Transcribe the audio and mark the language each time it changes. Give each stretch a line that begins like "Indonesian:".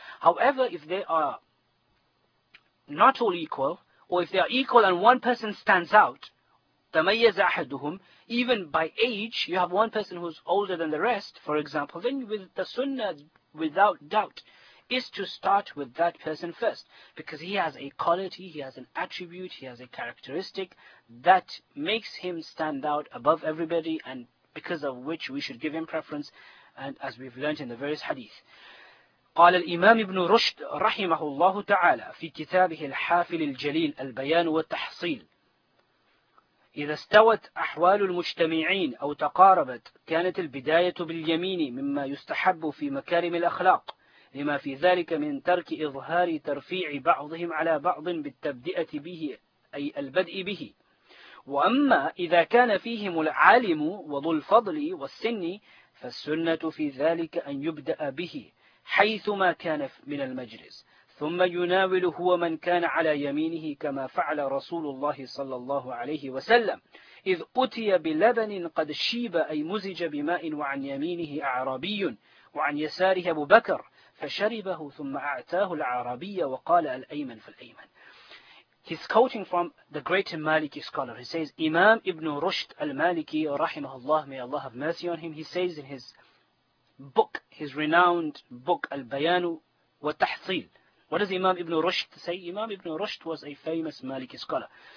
English: However, if they are not all equal, or if they are equal and one person stands out,
Arabic: تَمَيَّزَ أَحَدُهُمْ,
English: even by age, you have one person who's older than the rest, for example, then with the sunnah, without doubt, is to start with that person first. Because he has a quality, he has an attribute, he has a characteristic that makes him stand out above everybody, and because of which we should give him preference, and as we've learned in the various hadith.
Arabic: قال الإمام ابن رشد رحمه الله تعالى في كتابه الحافل الجليل البيان والتحصيل إذا استوت أحوال المجتمعين أو تقاربت كانت البداية باليمين مما يستحب في مكارم الأخلاق لما في ذلك من ترك إظهار ترفيع بعضهم على بعض بالتبدئة به أي البدء به وأما إذا كان فيهم العالم وذو الفضل والسن فالسنة في ذلك أن يبدأ به حيثما كان من المجلس ثم يناول هو من كان على يمينه كما فعل رسول الله صلى الله عليه وسلم إذ أتي بلبن قد شيب أي مزج بماء وعن يمينه أعرابي وعن يساره أبو بكر فشربه ثم أعتاه العربية وقال الأيمن فالأيمن.
English: He's quoting from the great Maliki scholar. He says, Imam Ibn Rushd al-Maliki, rahimahullah, may Allah have mercy on him, he says in his book, his renowned book, Al-Bayanu wa Tahsil. What does Imam Ibn Rushd say? Imam Ibn Rushd was a famous Maliki scholar.